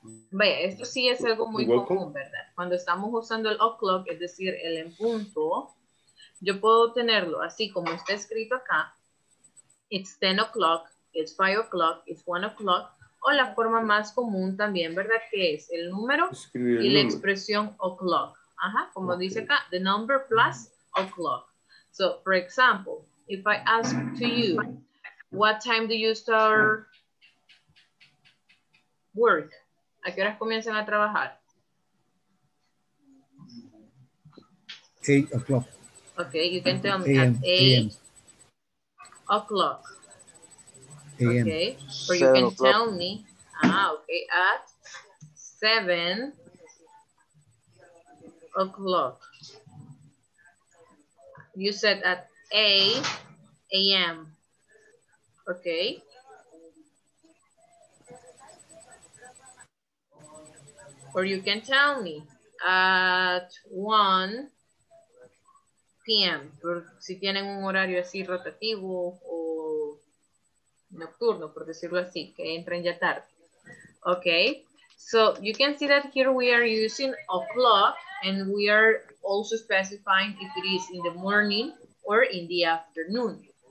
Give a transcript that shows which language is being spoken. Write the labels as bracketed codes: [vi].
[es] Vaya, esto sí es algo muy común, ¿verdad? Cuando estamos usando el o'clock, es decir, el en punto, yo puedo tenerlo así como está escrito acá. [en] It's 10 o'clock, it's 5 o'clock, it's 1 o'clock, o la forma más común también, ¿verdad? [es] Que es el número y la expresión o'clock. [en] Ajá, como dice acá, the number plus o'clock. So, for example, if I ask to you, what time do you start work? [es] ¿A qué horas comienzan a trabajar? [en] 8 o'clock. Okay, you can tell me at 8 o'clock. Okay, or you can tell me, okay, at 7 o'clock. You said at 8 a.m. Okay. Or you can tell me at 1 p.m. [es] Si tienen un horario así rotativo o nocturno, por decirlo así, que entren ya tarde. [en] Okay. So you can see that here we are using o'clock and we are also specifying if it is in the morning or in the afternoon.